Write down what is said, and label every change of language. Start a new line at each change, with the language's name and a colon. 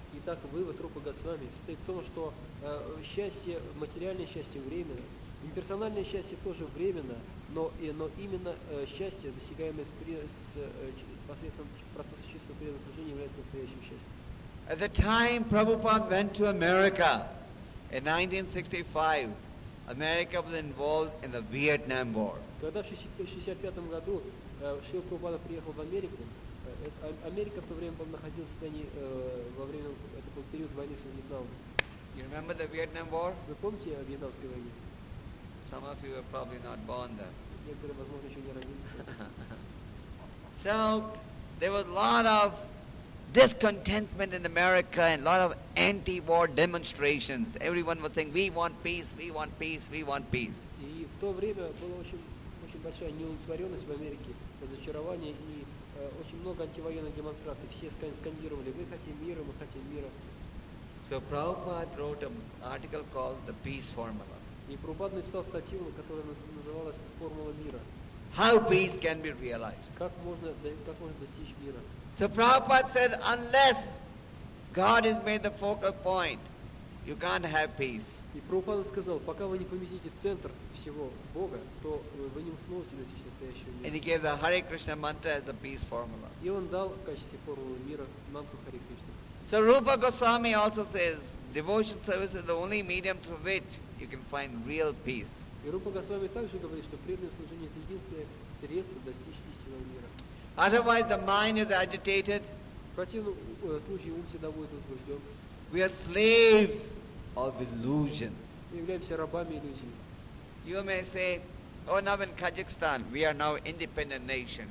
Russian: Итак, вывод Рупы Госвами состоит в том, что счастье, материальное счастье временно, имперсональное счастье тоже временно, но именно счастье, достигаемое посредством процесса чистого предупреждения, является настоящим счастьем.
English: At the time Prabhupada went to America in 1965, America was involved in the Vietnam War.
Russian: Когда в 65-м году Шрила Прабхупада приехал в Америку, Америка в то время находилась в состоянии во время этого периода войны с Вьетнамом.
English: You remember the Vietnam War?
Russian: Вы помните о Вьетнамской войне?
English: Some of you were probably not born then.
Russian: Некоторые, возможно, еще не родились.
English: So there was a lot of discontentment in America and a lot of anti-war demonstrations. Everyone was saying, "We want peace, we want peace, we want peace."
Russian: И в то время была очень большая неудовлетворенность в Америке, разочарование и очень много антивоенных демонстраций. Все скандировали: «Мы хотим мира, мы хотим мира».
English: So Prabhupada wrote an article called the Peace Formula.
Russian: И Прабхупада написал статью, которая называлась «Формула мира».
English: How peace can be realized?
Russian: Как можно достичь мира?
English: So Prabhupada said, unless God is made the focal point, you can't have peace.
Russian: И Прабхупада сказал, пока вы не поместите в центр всего Бога, то вы не сможете достичь настоящего мира.
English: And he gave the Hare Krishna mantra as the peace formula.
Russian: И он дал в качестве формулы мира мантру Харе Кришна.
English: So Rupa Goswami also says, devotion service is the only medium through which you can find real peace.
Russian: И Рупа Госвами также говорит, что преданное служение это единственное средство достичь истинного мира.
English: Otherwise the mind is agitated.
Russian: В противном случае ум всегда будет возбужден.
English: We are slaves of illusion.
Russian: Мы являемся рабами иллюзий.
English: You may say, oh, now in Kazakhstan, we are now independent nation.